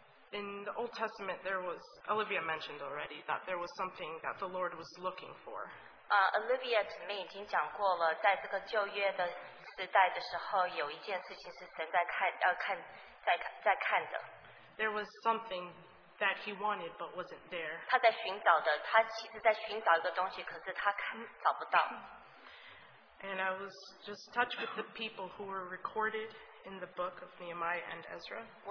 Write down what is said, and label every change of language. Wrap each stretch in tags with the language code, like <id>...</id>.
<en>In the Old Testament, there was Olivia mentioned already that there was something that the Lord was looking for.</en> <zh>Olivia 姊妹已经讲过了，在这个旧约的时代的时候，有一件事情是神在看，在看的。</zh> <en>There was something that he wanted but wasn't there.</en> <zh>他在寻找的，他其实在寻找一个东西，可是他看找不到。</zh> <en>And I was just touched with the people who were recorded in the book of Nehemiah and Ezra.</en>